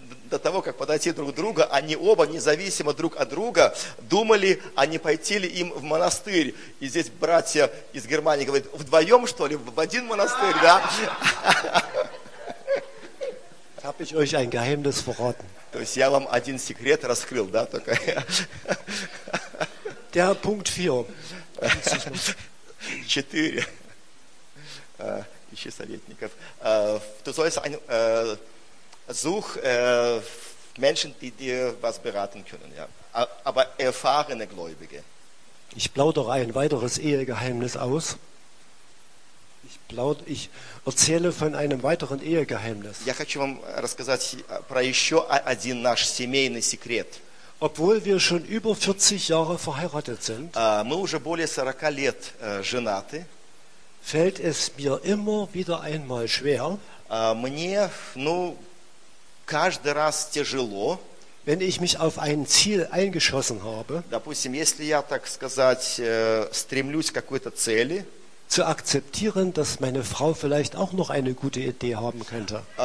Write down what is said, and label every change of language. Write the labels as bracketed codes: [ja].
[ru] До того, как подойти друг к другу, они оба, независимо друг от друга, думали, а не пойти ли им в монастырь. И здесь братья из Германии говорят, вдвоем, что ли, в один монастырь, да? [de] Habe ich euch ein Geheimnis verraten. [ru] То есть я вам один секрет раскрыл, да, только? [de] Der Punkt 4. 4. [ru] Ищи советников. [de] Du sollst ein... Such Menschen, die dir was beraten können, ja. Aber erfahrene Gläubige. Ich plaudere ein weiteres Ehegeheimnis aus. Ich erzähle von einem weiteren Ehegeheimnis. [ru] Я хочу вам рассказать про еще один наш семейный секрет. [de] Obwohl wir schon über 40 Jahre verheiratet sind, [ru] мы уже более 40 лет женаты, [de] fällt es mir immer wieder einmal schwer, [ru] мне, ну, каждый раз тяжело, [de] wenn ich mich auf ein Ziel eingeschossen habe, [ru] допустим, если я, так сказать, стремлюсь к какой-то цели, [de] zu akzeptieren, dass meine Frau vielleicht auch noch eine gute Idee haben könnte.